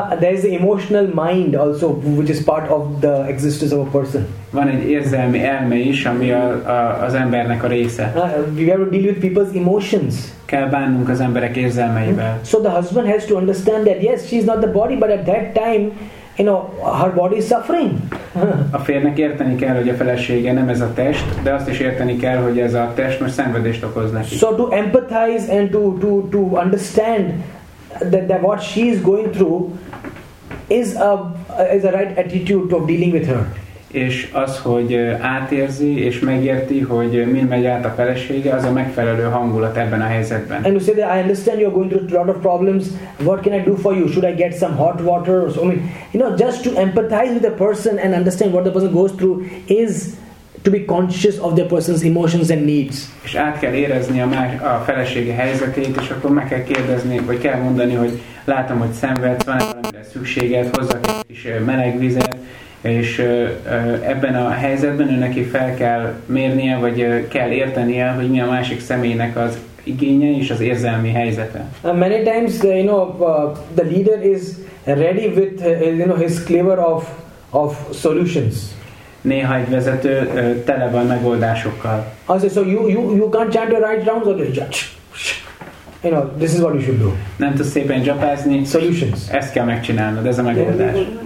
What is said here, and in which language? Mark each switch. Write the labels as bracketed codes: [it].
[en] There is an emotional mind also, which is part of the existence of a person. [hu] Van egy érzelmi elme is, ami az embernek a része. [en] We have to deal with people's emotions. [hu] Kell bánnunk az emberek érzelmeivel. [en] So the husband has to understand that, yes, she is not the body, but at that time, you know, her body is suffering. [hu] A férnek érteni kell, hogy a felesége nem ez a test, de azt is érteni kell, hogy ez a test most szenvedést okoz neki. [en] So to empathize and to understand that what she is going through is a right attitude of dealing with her. [hu] És az, hogy átérzi és megérti, hogy mi megy át a felesége, az a megfelelő hangulat ebben a helyzetben. [en] And you say that I understand you're going through a lot of problems. What can I do for you? Should I get some hot water or something? You know, just to empathize with the person and understand what the person goes through is to be conscious of the person's emotions and needs. [hu] És át kell érezni a felesége helyzetét, és akkor meg kell kérdezni, vagy kell mondani, hogy látom, hogy szenvedsz, van-e valamire szükséged, hozzak egy kis meleg vizet. És ebben a helyzetben ő neki fel kell mérnie, vagy kell értenie, hogy mi a másik személynek az igénye és az érzelmi helyzete. [en] Many times, you know, the leader is ready with, you know, his cleaver of solutions. [hu] Néha egy vezető tele van megoldásokkal. [en] Also, so you can't chant the right rounds or the judge. You know, this is what you should do. [hu] Nem tudsz szépen japázni. [en] Solutions. [hu] Ezt kell megcsinálnod, ez a megoldás.